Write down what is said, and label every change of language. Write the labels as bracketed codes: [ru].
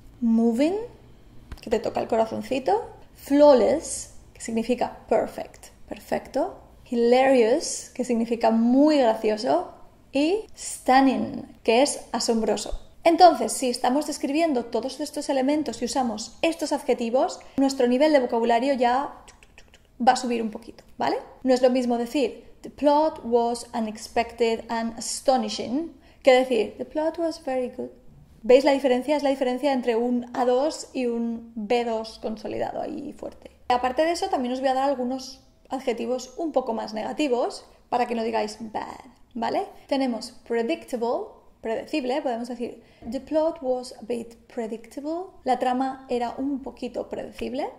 [es] Moving, que te toca el corazoncito. Flawless, que significa perfect, perfecto. Hilarious, que significa muy gracioso. Y stunning, que es asombroso. Entonces, si estamos describiendo todos estos elementos y usamos estos adjetivos, nuestro nivel de vocabulario ya va a subir un poquito, ¿vale? No es lo mismo decir [en] "The plot was unexpected and astonishing" [es] que decir [en] "The plot was very good". [es] ¿Veis la diferencia? Es la diferencia entre un A2 y un B2 consolidado ahí fuerte. Aparte de eso, también os voy a dar algunos adjetivos un poco más negativos para que no digáis bad, ¿vale? Tenemos predictable, predecible, podemos decir [en] "The plot was a bit predictable", [es] la trama era un poquito predecible.